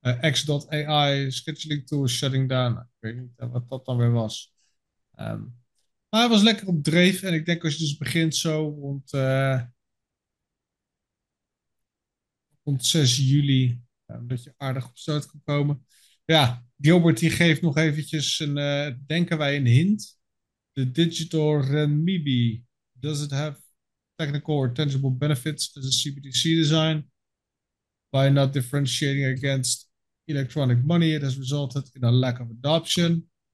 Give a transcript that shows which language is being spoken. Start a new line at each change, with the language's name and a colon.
English: X.AI, scheduling tool, shutting down.
Dutch: Ik weet niet wat dat dan weer was. Maar hij was lekker op dreef. En ik denk als je dus begint zo rond 6 juli. Dat je aardig op start kan komen. Ja, Gilbert die geeft nog eventjes een, denken wij, een hint. De digital renminbi.
English: Does it have technical or tangible benefits as a CBDC design by not differentiating against electronic money, it has resulted in a lack of adoption.